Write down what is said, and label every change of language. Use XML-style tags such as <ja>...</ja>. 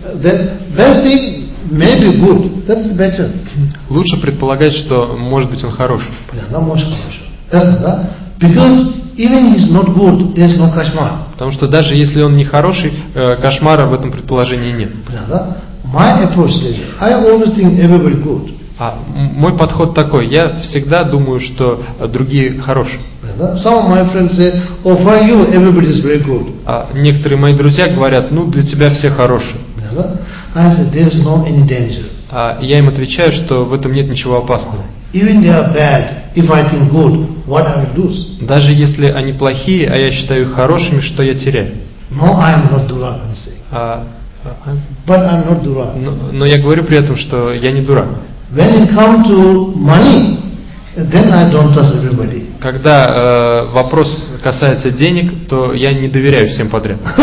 <en>The best thing, maybe good. That's better.</en> <ru>Лучше предполагать, что может быть он хороший. Понятно, может хороший. Да?</ru> <en>Because even if he's not good, there's no</en> <ru>кошмар. Потому что даже если он не хороший, кошмара в этом предположении нет. Понятно?</ru> <en>My approach is, I always think everybody good.</en> <ru>Мой подход такой. Я всегда думаю, что другие хорошие.</ru> <en>Some of my friends say, oh, for you, everybody is very good.</en> <ru>Некоторые мои друзья говорят, ну, для тебя все хорошие.</ru> <en>I said, there's no any danger.</en> <ru>Я им отвечаю, что в этом нет ничего опасного.</ru> <en>Even they are bad, if I think good, what I will lose?</en> <ru>Даже если они плохие, а я считаю их хорошими, что я теряю?</ru> <en>No, I am not</en> <ru>дурак,</ru> <en>I'm saying. But I'm not дурак.</en> <ru>Но я говорю при этом, что я не дурак.</ru> <en>When it comes to money, then I don't trust everybody.</en> <ru>Когда вопрос касается денег, то я не доверяю всем подряд.</ru>